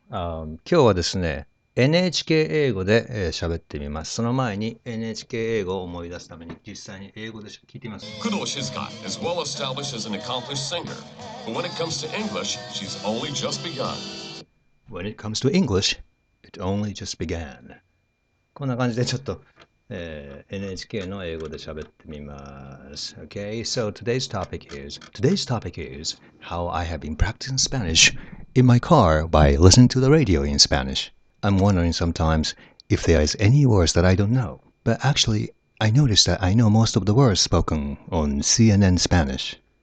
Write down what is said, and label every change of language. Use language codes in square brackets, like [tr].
[ja] 今日はですね、NHK 英語で、喋ってみます。その前に NHK 英語を思い出すために、実際に英語で聞いてみます。 [en] 工藤静香 is well established as an accomplished singer, but when it comes to English, she's only just begun. When it comes to English, it only just began. [ja] こんな感じでちょっと、NHK の英語で喋ってみます。 [en] Okay, so today's topic is how I have been practicing Spanish in my car by listening to the radio in Spanish. I'm wondering sometimes if there is any words that I don't know. But actually, I noticed that I know most of the words spoken on CNN Spanish.